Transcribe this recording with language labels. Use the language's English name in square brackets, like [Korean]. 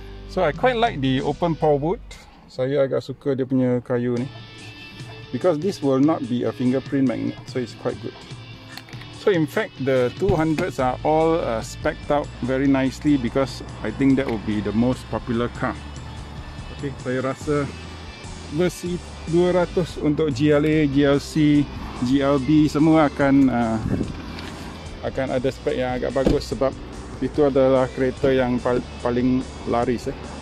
[English] So I quite like the open pore wood. [Malay] Saya agak suka dia punya kayu ni. [English] Because this will not be a fingerprint magnet, so it's quite good. So in fact the 200s are all specced out very nicely because I think that will be the most popular car. [Malay] Okay, saya rasa versi 200 untuk GLA, GLC, GLB semua akan akan ada spek yang agak bagus sebab itu adalah kereta yang paling laris eh.